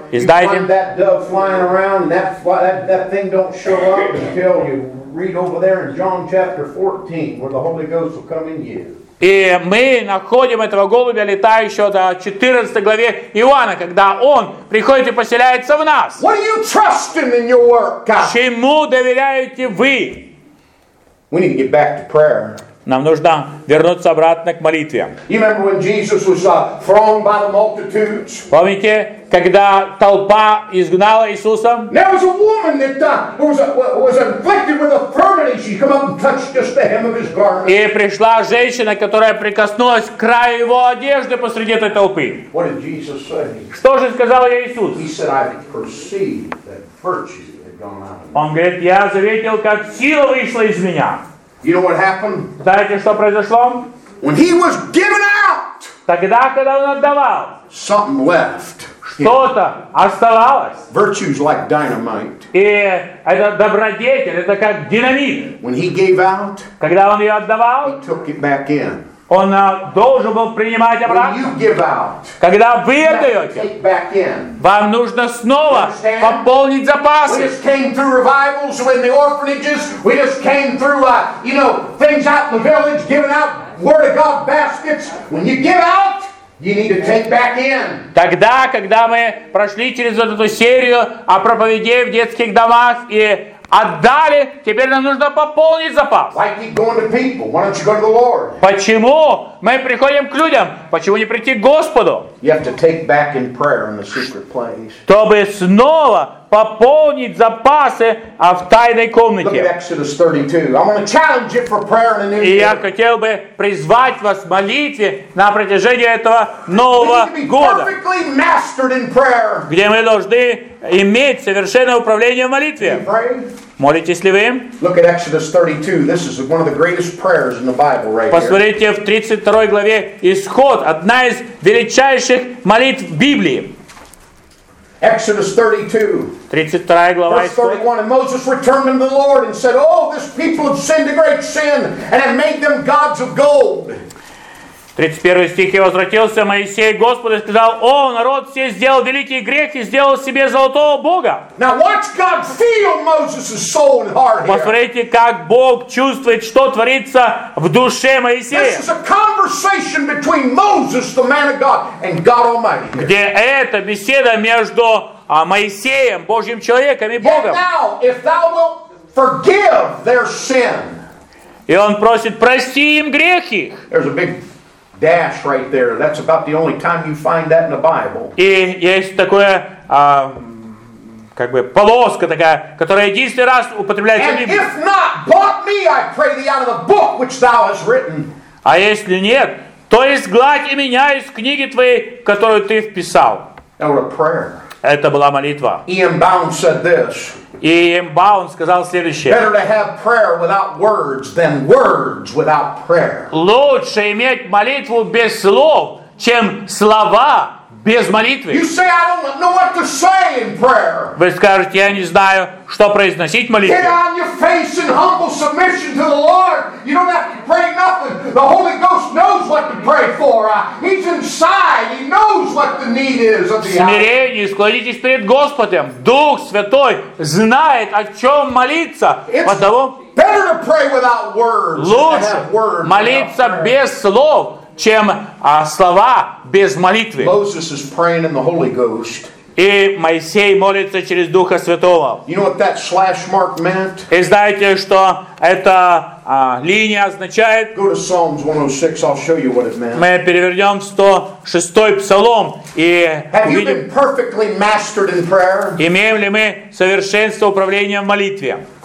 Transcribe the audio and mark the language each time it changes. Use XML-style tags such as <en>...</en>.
<ru>И знаете, и мы находим этого голубя, летающего до 14 главе Иоанна, когда он приходит и поселяется в нас.</ru> <en>What are you trusting in your work?</en> <ru>Чему доверяете вы?</ru> <en>We need to get back to prayer.</en> <ru>Нам нужно вернуться обратно к молитве.</ru> <en>Remember when Jesus was thrown by the multitudes?</en> <ru>Помните, когда толпа изгнала Иисуса?</ru> <en>There was a woman that was afflicted with a infirmity. She came up and touched just the hem of his garment.</en> <ru>И пришла женщина, которая прикоснулась к краю его одежды посреди этой толпы.</ru> <en>What did Jesus say?</en> <ru>Что же сказал ей Иисус?</ru> <en>He said, I perceived that virtue had gone out.</en> <ru>Он говорит, я заметил, как сила вышла из меня.</ru> <en>You know what happened?</en> <ru>Знаете, что произошло?</ru> <en>When he was given out,</en> <ru>тогда, когда он отдавал,</ru> <en>something left.</en> <ru>Что-то оставалось.</ru> <en>Virtue's like dynamite.</en> <ru>И это добродетель, это как динамит.</ru> <en>When he gave out,</en> <ru>когда он ее отдавал,</ru> <en>he took it back in.</en> <ru>Он должен был принимать обратно.</ru> <en>When you give out,</en> <ru>когда вы отдаете,</ru> <en>take back in.</en> <ru>Вам нужно снова пополнить запасы.</ru> <en>We just came through revivals in the orphanages. We just came through, things out in the village, giving out Word of God baskets. When you give out, you need to take back in.</en> <ru>Тогда, когда мы прошли через вот эту серию о проповедях в детских домах и отдали, теперь нам нужно пополнить запас.</ru> <en>Why keep going to people? Why don't you go to the Lord?</en> <ru>Почему мы приходим к людям? Почему не прийти к Господу?</ru> <en>You have to take back in prayer in the secret place.</en> <ru>Чтобы снова пополнить запасы в тайной комнате.</ru> <en>Look at Exodus 32. I'm going to challenge you for prayer in the new year.</en> <ru>И я хотел бы призвать вас молитве на протяжении этого нового года.</ru> <en>We need to be perfectly mastered in prayer.</en> <ru>Где мы должны иметь совершенное управление в молитве. Молитесь ли вы?</ru> <en>Look at Exodus 32. This is one of the greatest prayers in the Bible right here.</en> <ru>Посмотрите в 32 главе Исход. Одна из величайших молитв в Библии.</ru> <en>Exodus 32. Verse 31. And Moses returned unto the Lord and said, Oh, this people have sinned a great sin and have made them gods of gold.</en> <ru>31 стих. И возвратился Моисей к Господу и сказал, О, народ все сделал великий грех и сделал себе золотого Бога.</ru> <en>Now watch God feel Moses' soul and heart here.</en> <ru>Посмотрите, как Бог чувствует, что творится в душе Моисея.</ru> <en>This is a conversation between Moses, the man of God, and God Almighty.</en> <ru>Где эта беседа между Моисеем, Божьим человеком, и Богом.</ru> <en>Yet now, if thou wilt forgive their sin.</en> <ru>И он просит, прости им грех их.</ru> <en>There's a big dash right there. That's about the only time you find that in the Bible.</en> <ru>И есть такое, как бы полоска такая, которая единственный раз употребляется в Библии.</ru> <en>And if not, blot me, I pray thee, out of the book which thou hast written.</en> <ru>А если нет, то изгладь и меня из книги твоей, которую ты вписал.</ru> <en>That was a prayer.</en> <ru>Это была молитва.</ru> <en>Иэн Баунс said this.</en> <ru>Иэн Баунс сказал следующее.</ru> <en>Better to have prayer without words than words without prayer.</en> <ru>Лучше иметь молитву без слов, чем слова без молитвы.</ru> <en>You say, I don't know what to say in prayer.</en> <ru>Вы скажете, я не знаю, что произносить в молитве.</ru> <en>Get on your face in humble submission to the Lord. You don't have to pray nothing. The Holy Ghost knows what to pray for. He's inside. He knows what the need is of the hour.</en> <ru>Смирение, склонитесь перед Господом. Дух Святой знает, о чем молиться. Потому</ru> <en>better to pray without words.</en> <ru>Лучше</ru> <en>than have words</en> <ru>молиться без слов, чем слова без молитвы.</ru> <en>Moses is praying in the Holy Ghost.</en> <ru>И Моисей молится через Духа Святого.</ru> <en>You know what that slash mark meant?</en> <ru>И знаете, что эта линия означает?</ru> <en>Go to Psalms 106, I'll show you what it meant.</en> <ru>Мы перевернем 106-й Псалом и</ru> <en>Have</en> <ru>увидим,</ru> <en>you been perfectly mastered in prayer?</en> <ru>Имеем ли мы совершенство управления в молитве?</ru>